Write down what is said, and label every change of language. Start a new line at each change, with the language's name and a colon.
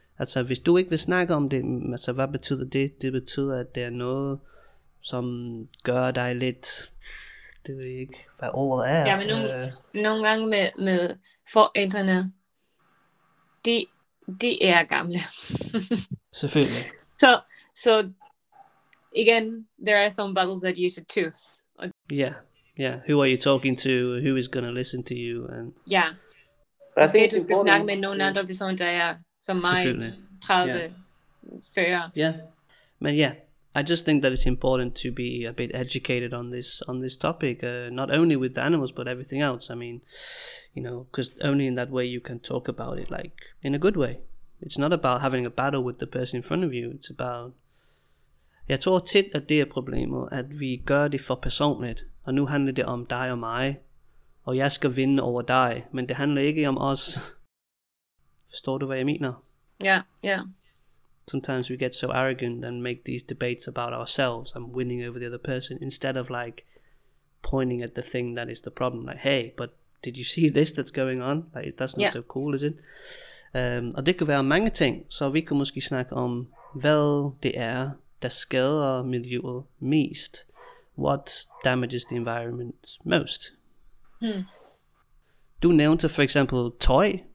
Danish: Altså, hvis du ikke vil snakke om det, altså, hvad betyder det? Det betyder, at det er noget, som gør dig lidt Det ved ikke, hvad ordet er. Ja, men nogle gange med forældrene, de er gamle. Selvfølgelig.
English: So again, there are some battles that you should choose. Yeah. Who are you talking to? Who is gonna listen to you? And yeah.
Danish: Jeg skal du skal snakke med nogle andre personer, der er som mig 30, 40.
English: Yeah. I just think that it's important to be a bit educated on this topic, not only with the animals but everything else. I mean, you know, because only in that way you can talk about it like in a good way. It's not about having a battle with the person in front of you.
Danish: It's about, jeg tror tit at det er problemet, at vi gør det for personligt, og nu handler det om dig og mig, og jeg skal vinde over dig, men det handler ikke om os. Forstår du hvad jeg mener?
English: Yeah. Sometimes we get so arrogant and make these debates about ourselves and winning over the other person instead of like pointing at the thing that is the problem. Like, hey, but did you see this that's going on? Like, that's not so cool, is it?
Danish: Og det kan være mange ting, så vi kan måske snakke om, hvad det er, der skader miljøet mest.
English: What damages the environment most?
Danish: Du nævnte for eksempel tøj.